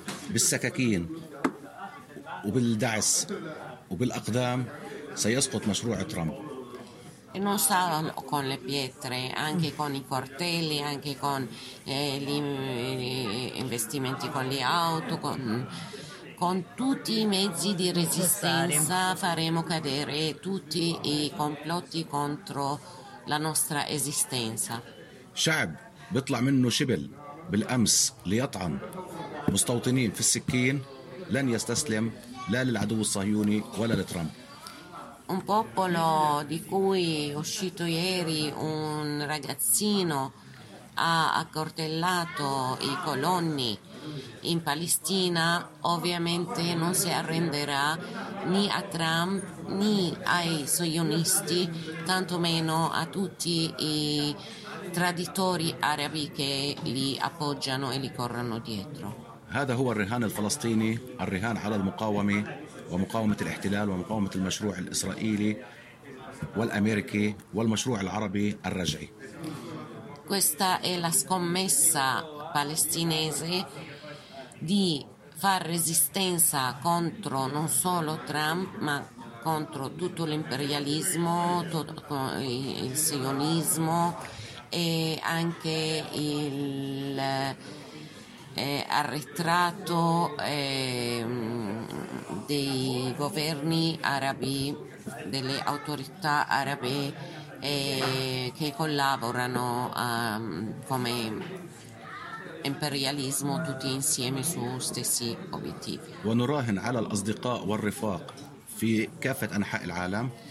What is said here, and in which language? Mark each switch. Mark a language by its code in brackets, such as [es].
[ar] بالسكاكين وبالدعس وبالأقدام سيسقط مشروع ترامب. [it] Non solo con le pietre, anche con i cortelli, anche con gli investimenti con le auto, con tutti i mezzi di resistenza faremo cadere tutti i complotti contro la nostra esistenza. [ar] شعب بيطلع منه شبل بالأمس ليطعن مستوطنين في السكين لن يستسلم لا للعدو الصهيوني ولا لترامب. [it] Un popolo di cui è uscito ieri un ragazzino ha accoltellato i coloni in Palestina, ovviamente non si arrenderà né a Trump né ai sionisti, tantomeno a tutti i traditori arabi che li appoggiano e li corrono dietro. [ar] هذا هو الرهان الفلسطيني، الرهان على المقاومة ومقاومة الاحتلال ومقاومة المشروع الإسرائيلي والأمريكي والمشروع العربي الرجعي. [it] Questa è la scommessa palestinese di far resistenza contro non solo Trump ma contro tutto l'imperialismo, tutto il sionismo e anche il arretrato dei governi arabi, delle autorità arabe che collaborano come imperialismo tutti insieme su stessi obiettivi. [ar] ونراهن على الأصدقاء والرفاق في كافة أنحاء العالم.